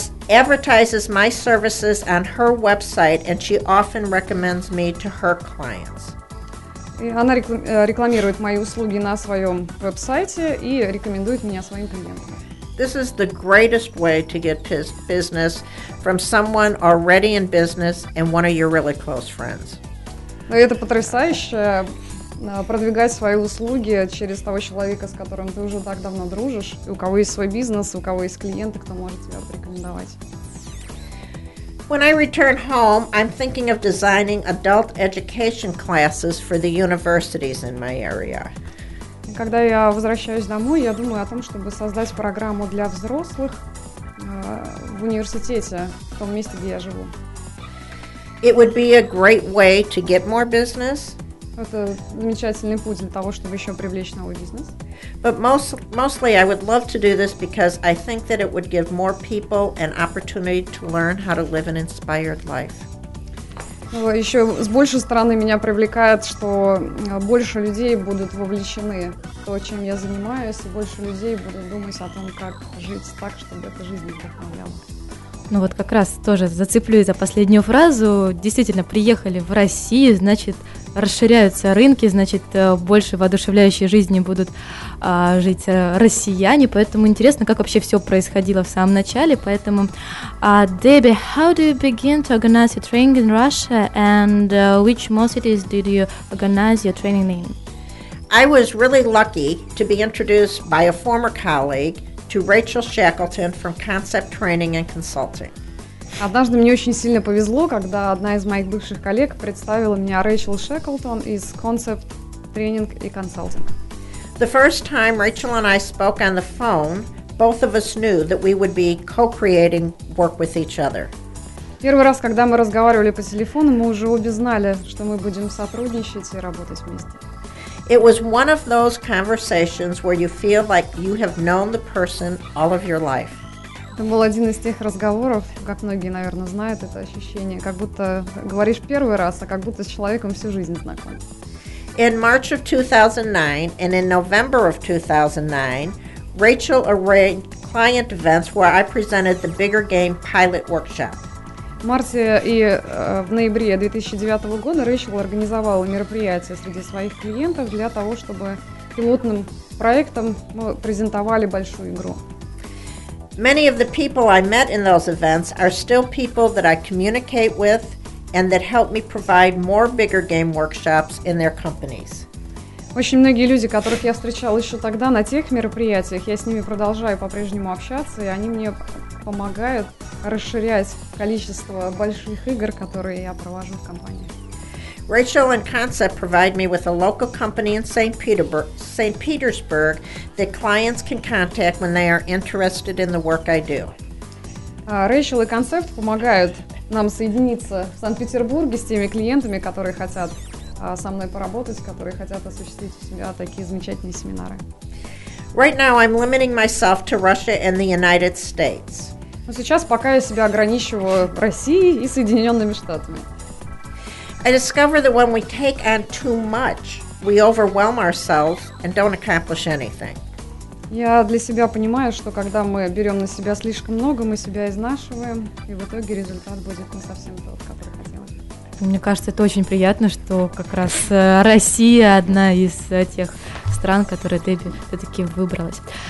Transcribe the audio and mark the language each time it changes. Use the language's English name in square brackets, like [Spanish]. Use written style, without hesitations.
[English] Advertises my services on her website, and she often recommends me to her clients. [Russian] Она рекламирует мои услуги на своем веб-сайте и рекомендует меня своим клиентам. [English] This is the greatest way to get business from someone already in business and one of your really close friends. [Russian] Но это потрясающе продвигать свои услуги через того человека, с которым ты уже так давно дружишь, и у кого есть свой бизнес, у кого есть клиенты, кто может тебя порекомендовать. [English] When I return home, I'm thinking of designing adult education classes for the universities in my area. [Russian] Когда я возвращаюсь домой, я думаю о том, чтобы создать программу для взрослых в университете, в том месте, где я живу. [English] It would be a great way to get more business. [Russian] Это замечательный путь для того, чтобы еще привлечь новый бизнес. [English] But mostly I would love to do this because I think that it would give more people an opportunity to learn how to live an inspired life. [Russian] Еще с большей стороны меня привлекает, что больше людей будут вовлечены в то, чем я занимаюсь, и больше людей будут думать о том, как жить так, чтобы эта жизнь вдохновляла. Ну вот как раз тоже зацеплюсь за последнюю фразу. Действительно, приехали в Россию, значит, расширяются рынки, значит, больше воодушевляющей жизни будут жить россияне. Поэтому интересно, как вообще все происходило в самом начале. Поэтому, Дебби, [English] how do you begin to organize your training in Russia and which most cities did you organize your training in? I was really lucky to be introduced by a former colleague to Rachel Shackleton from Concept Training and Consulting. [Russian] Однажды мне очень сильно повезло, когда одна из моих бывших коллег представила меня Рэйчел Шеклтон из Concept Training and Consulting. [English] The first time Rachel and I spoke on the phone, both of us knew that we would be co-creating work with each other. [Russian] Первый раз, когда мы разговаривали по телефону, мы уже обе знали, что мы будем сотрудничать и работать вместе. [English] It was one of those conversations where you feel like you have known the person all of your life. [Russian] Это был один из тех разговоров, как многие, наверное, знают это ощущение, как будто говоришь первый раз, а как будто с человеком всю жизнь знаком. [English] In March of 2009 and in November of 2009, Rachel arranged client events where I presented the Bigger Game Pilot Workshop. [Russian] В марте и в ноябре 2009 года Рэйчел организовала мероприятие среди своих клиентов для того, чтобы пилотным проектом мы презентовали большую игру. [English] Many of the people I met in those events are still people that I communicate with and that help me provide more bigger game workshops in their companies. [Russian] Очень многие люди, которых я встречала еще тогда на тех мероприятиях, я с ними продолжаю по-прежнему общаться, и они мне помогают расширять количество больших игр, которые я провожу в компании. [English] Rachel and Concept provide me with a local company in St. Petersburg that clients can contact when they are interested in the work I do. [Russian] Rachel и Concept помогают нам соединиться в Санкт-Петербурге с теми клиентами, которые хотят со мной поработать, которые хотят осуществить у себя такие замечательные семинары. [English] Right now I'm limiting myself to Russia and the United States. [Russian] Но сейчас пока я себя ограничиваю Россией и Соединенными Штатами. [English] I discover that when we take on too much, we overwhelm ourselves and don't accomplish anything. [Russian] Я для себя понимаю, что когда мы берем на себя слишком много, мы себя изнашиваем, и в итоге результат будет не совсем тот, который хотелось. Мне кажется, это очень приятно, что как раз Россия одна из тех стран, которые ты-таки выбралась.